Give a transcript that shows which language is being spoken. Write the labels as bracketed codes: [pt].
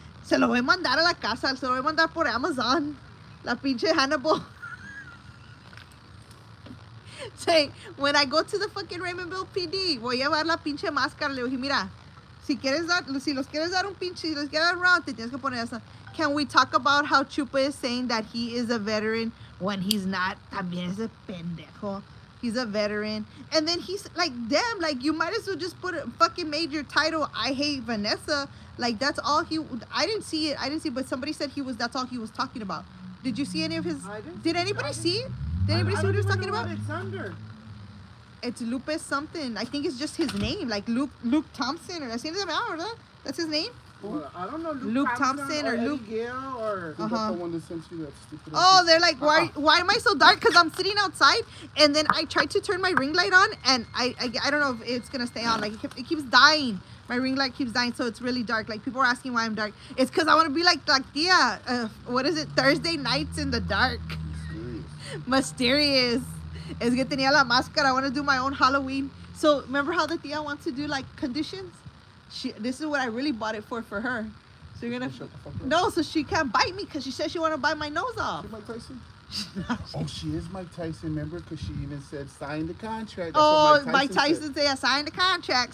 [es] Se lo voy a mandar a la casa. Se lo voy a mandar por Amazon. La pinche Hannibal. [en] Say, when I go to the fucking Raymondville PD, [es] voy a llevar la pinche máscara. Le dije, mira, Si quieres dar, si los quieres dar un pinche, si los quieres dar round, te tienes que poner esa. [en] Can we talk about how Chupa is saying that he is a veteran when he's not? [es] También es pendejo. [en] He's a veteran. And then he's like, damn, like, you might as well just put a fucking major title, I hate Vanessa. Like, that's all he, I didn't see it. I didn't see, but somebody said he was, that's all he was talking about. Did you see any of his, did anybody see it? Did anybody see what he was talking about? It's under. It's Lupe something. I think it's just his name, like Luke Thompson, or that's his name, [es] ¿verdad? [en] That's his name. Well, I don't know, Luke Thompson or Luke Gale or the one that sent you that stupid. Oh, ass. They're like, why am I so dark? Because I'm sitting outside, and then I tried to turn my ring light on, and I don't know if it's gonna stay on. Like it keeps dying. My ring light keeps dying, so it's really dark. Like people are asking why I'm dark. It's because I want to be like Tia. What is it? Thursday nights in the dark. Mysterious. [es] Es que tenía la máscara. [en] I want to do my own Halloween. So remember how the Tia wants to do like conditions? This is what I really bought it for her. So you're gonna so she can't bite me because she said she want to bite my nose off. She is Mike Tyson. Oh, she is Mike Tyson. Remember, because she even said sign the contract. That's Mike Tyson said, yeah, sign the contract.